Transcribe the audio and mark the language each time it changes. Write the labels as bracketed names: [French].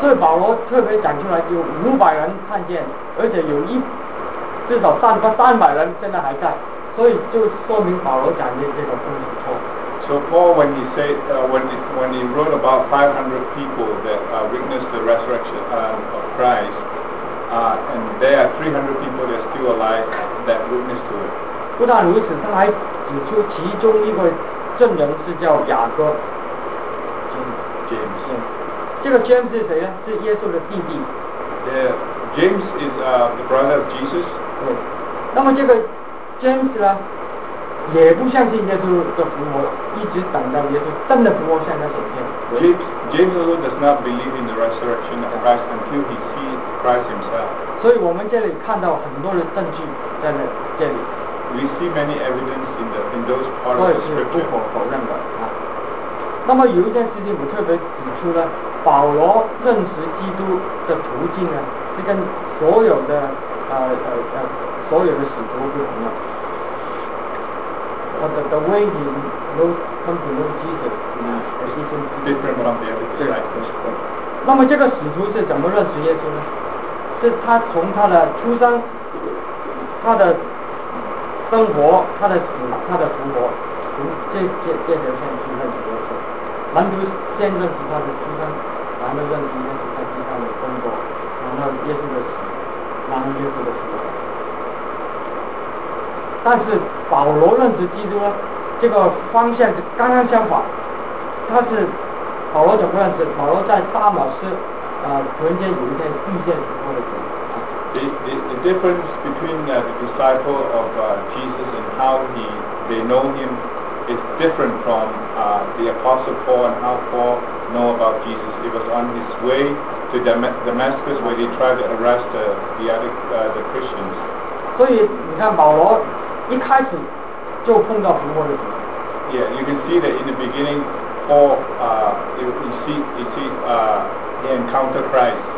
[Chinese] 所以保罗特别讲出来，有500人看见，而且有一至少300人现在还在，所以就说明保罗讲的这个故事不错。 [English] So Paul, when he said when he wrote about 500 people that witnessed the resurrection of Christ, and there are 300 people that are still alive that witnessed to it. [Chinese] 不但如此，他还指出其中一个证人是叫雅各 [English] James. [Chinese] 这个 James 是谁呢？是耶稣的弟弟。 [English] James is the brother of Jesus. [Chinese] 那么这个 James 呢？也不相信耶稣的复活，一直等到耶稣真的复活向他显现。 [English] James also does not believe in the resurrection of Christ until he sees Christ himself. [Chinese] 所以我们这里看到很多的证据在那这里。 [English] We see many evidence in those parts of the scripture. [Chinese] 所以是不可否认的啊。那么有一件事情我特别指出呢，保罗认识基督的途径呢，是跟所有的使徒不同的。 [English] But the way he come to know Jesus is different from the other. [Chinese] 那么这个使徒是怎么认识耶稣呢？是他从他的出生、他的生活、他的死、他的复活，从这条线去认识耶稣。门徒先认识他的出生，然后认识耶稣在地上的工作，然后耶稣的死，然后耶稣的复活。但是保罗认识基督这个方向是刚刚相反，他是保罗怎么认识？保罗在大马士突然间有一天遇见时候的主。 [English] The difference between the disciple of Jesus and how they know him is different from the apostle Paul and how Paul know about Jesus. It was on his way to Damascus where they tried to arrest the other Christians. [Chinese] 所以你看保罗。一开始就碰到复活的主。 [English] Yeah, you can see that in the beginning, Paul, he encountered Christ.